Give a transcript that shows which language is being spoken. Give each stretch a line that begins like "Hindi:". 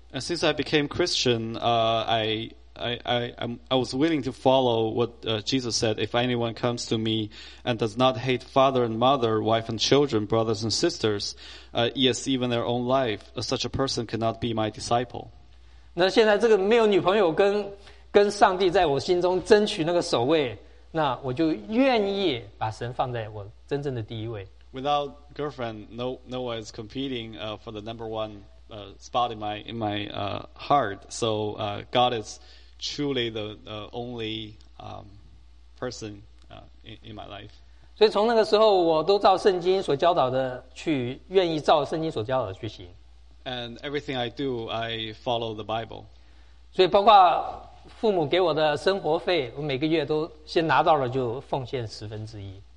English: And since I became Christian, I was willing to follow what Jesus said. If anyone comes to me and does not hate father and mother, wife and children, brothers and sisters, yes, even their own life, such a person cannot be my disciple.
Chinese: 那现在这个没有女朋友跟上帝在我心中争取那个首位。那我就愿意把神放在我真正的第一位。
English: Without girlfriend, no one is competing for the number one spot in my heart. So God is truly the only person in my life.
Chinese: 所以从那个时候，我都照圣经所教导的去，愿意照圣经所教导的去行。
English: And everything I do, I follow the Bible.
Chinese: 所以包括父母给我的生活费，我每个月都先拿到了就奉献十分之一。